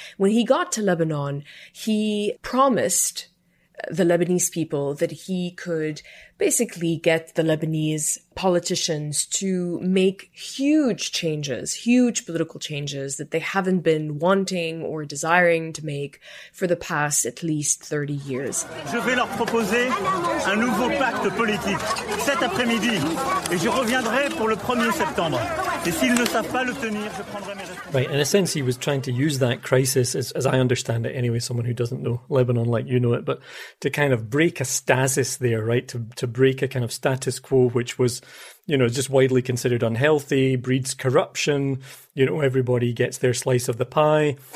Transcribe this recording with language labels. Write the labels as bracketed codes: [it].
[en] When he got to Lebanon, he promised the Lebanese people that he could basically get the Lebanese politicians to make huge changes, huge political changes that they haven't been wanting or desiring to make for the past at least 30 years. [fr] Je vais leur proposer un nouveau pacte politique cet après-midi et je reviendrai pour le 1er septembre. Et s'ils ne savent pas le tenir, je prendrai mes responsabilités. [en] Right, in a sense, he was trying to use that crisis, as I understand it anyway, someone who doesn't know Lebanon like you know it, but to kind of break a stasis there, right, to break a kind of status quo, which was, you know, just widely considered unhealthy, breeds corruption, you know, everybody gets their slice of the pie.